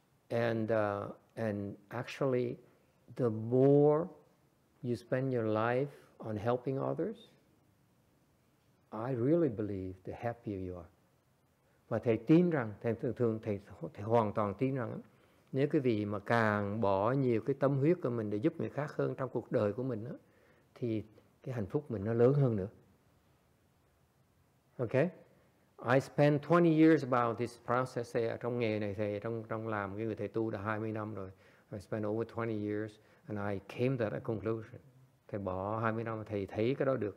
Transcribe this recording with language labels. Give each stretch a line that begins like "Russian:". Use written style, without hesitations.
English: And actually, the more you spend your life on helping others, I really believe the happier you are.
Vietnamese: Và thầy tin rằng, thầy thường thường thầy hoàn toàn tin rằng, nếu quý vị mà càng bỏ nhiều cái tâm huyết của mình để giúp người khác hơn trong cuộc đời của mình đó, thì cái hạnh phúc mình nó lớn hơn nữa.
English: Okay? I spent 20 years about this process.
Vietnamese: Trong nghề này, thầy trong làm cái người thầy tu đã 20 năm rồi.
English: I spent over 20 years and I came to that conclusion.
Vietnamese: Thầy bỏ 20 năm, thầy thấy cái đó được.